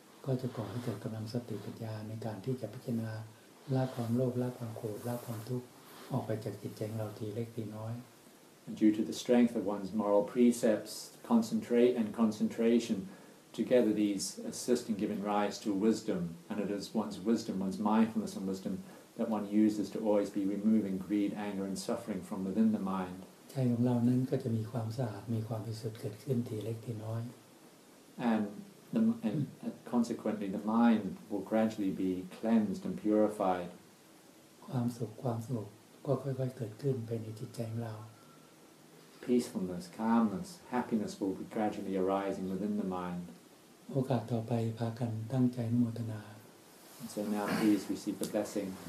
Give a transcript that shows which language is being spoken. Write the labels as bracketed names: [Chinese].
[Thai] จะก่อให้เกิดกำลังสติปัญญาในการที่จะพิจารณาละความโลภละความโกรธละความทุกข์ออกไปจากจิตใจของเราทีเล็กทีน้อย [English] And due to the strength of one's moral precepts concentrate and concentration together these assist in giving rise to wisdom and it is one's wisdom one's mindfulness and wisdom that one uses to always be removing greed anger and suffering from within the mind [Thai] ใจของเรานั้นก็จะมีความสะอาดมีความบริสุทธิ์เกิดขึ้นทีเล็กทีน้อย [English] And consequently, the mind will gradually be cleansed and purified. [Thai] ความสุขความสงบก็ค่อยๆเกิดขึ้นไปในจิตใจของเรา [English] Peacefulness, calmness, happiness will be gradually arising within the mind. [Thai] โอกาสต่อไปพากันตั้งใจนมัสการ [English] So now please receive the blessing.